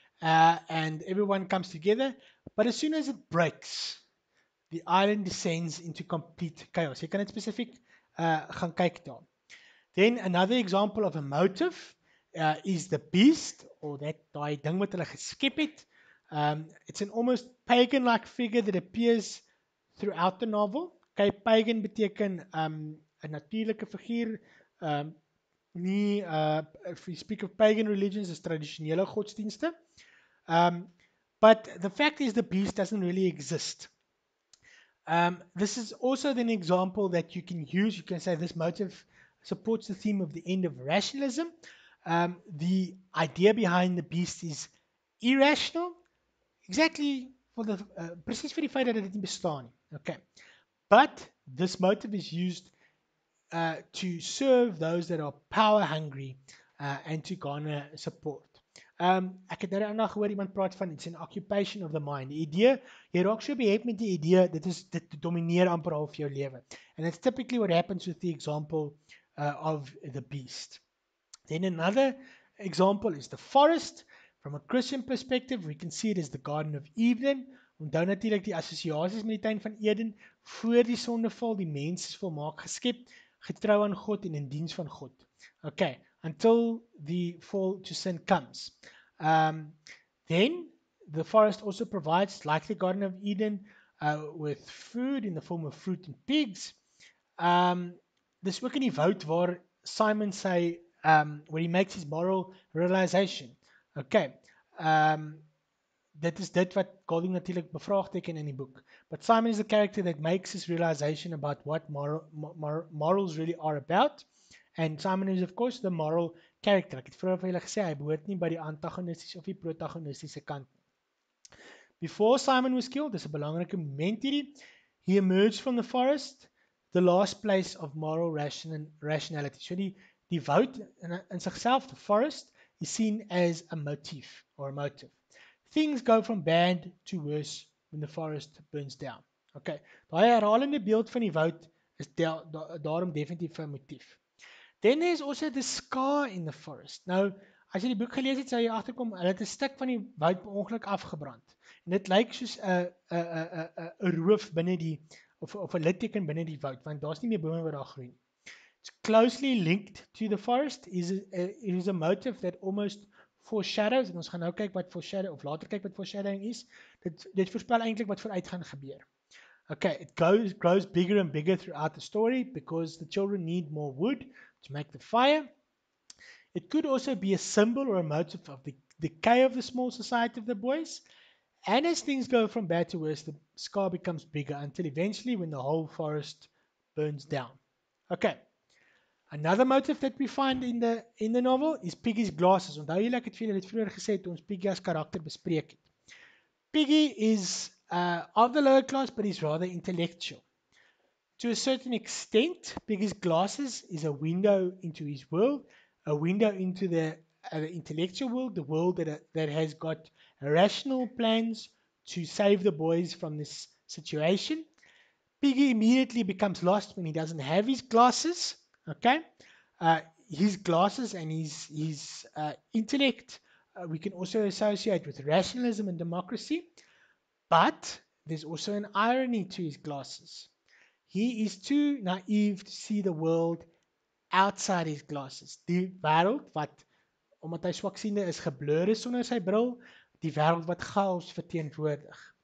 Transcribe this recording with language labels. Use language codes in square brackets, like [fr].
[en] And everyone comes together, but as soon as it breaks, the island descends into complete chaos. You can it specific [af] gaan kyk daar. [en] Then another example of a motive is the beast, or that [af] die ding wat hulle geskep het. [en] It's an almost pagan-like figure that appears throughout the novel. [af] Okay, pagan beteken 'n natuurlike figuur. [en] If we speak of pagan religions as [af] traditionele godsdienste. [en] But the fact is the beast doesn't really exist. This is also an example that you can use. You can say this motive supports the theme of the end of rationalism. The idea behind the beast is irrational, exactly for the [af] precies vir die feit dat dit nie bestaan nie. [en] Okay. But this motive is used to serve those that are power hungry and to garner support. [af] Ek het nou nog hoor iemand praat van [en] it's an occupation of the mind. [af] Die idee, jy raak so behep met die idee, dit is dit domineer amper al vir jou lewe. [en] And it's typically what happens with the example of the beast. Then another example is the forest. From a Christian perspective, we can see it as the Garden of Eden. [af] Onthou natuurlik die assosiasies met die tuin van Eden, voor die sondeval, die mens is volmaak geskep, getrou aan God en in diens van God. Okay. [en] Until the fall to sin comes. Then the forest also provides, like the Garden of Eden, with food in the form of fruit and pigs. [af] Dis ook in die woud waar Simon sê, [en] where he makes his moral realization. [af] Okay, dit is dit wat Golding natuurlijk bevraagteken in die boek. [en] But Simon is the character that makes his realization about what morals really are about. And Simon is of course the moral character. [af] Ek het vroeger vir julle gesê, hy behoort nie by die antagonistiese of die protagonistiese kant. [en] Before Simon was killed, [af] dis 'n belangrike moment hierdie, [en] he emerged from the forest, the last place of moral rationality. [af] So die woud in sigself, [en] the forest, is seen as a motif or a motive. Things go from bad to worse when the forest burns down. [af] Okay, die herhalende beeld van die woud is daarom definitief 'n motief. [en] Then there's also the scar in the forest. [af] Nou, as jy die boek gelees het, sal jy agterkom, hulle het 'n stuk van die woud per ongeluk afgebrand. En dit lyk soos 'n roof binne die, of 'n litteken binne die woud, want daar is nie meer bome wat daar groei. [en] It's closely linked to the forest, is a motive that almost foreshadows, [af] en ons gaan nou kyk wat foreshadow, of later kyk wat foreshadowing is, dit voorspel eintlik wat vooruit gaan gebeur. [en] Okay, it grows bigger and bigger throughout the story, because the children need more wood to make the fire. It could also be a symbol or a motive of the decay of the small society of the boys. And as things go from bad to worse, the scar becomes bigger until eventually when the whole forest burns down. Okay. Another motive that we find in the novel is Piggy's glasses. [af] Onthou jy ek het vir julle dit vroeër gesê toe ons Piggy as karakter bespreek het. [en] Piggy is of the lower class, but he's rather intellectual. To a certain extent, Piggy's glasses is a window into his world, a window into the intellectual world, the world that has got rational plans to save the boys from this situation. Piggy immediately becomes lost when he doesn't have his glasses, okay? His glasses and his intellect, we can also associate with rationalism and democracy, but there's also an irony to his glasses. He is too naive to see the world outside his glasses. [af] Die wêreld wat, omdat hy swaksiende is, geblur is sonder sy bril, die wêreld wat chaos verteenwoordig.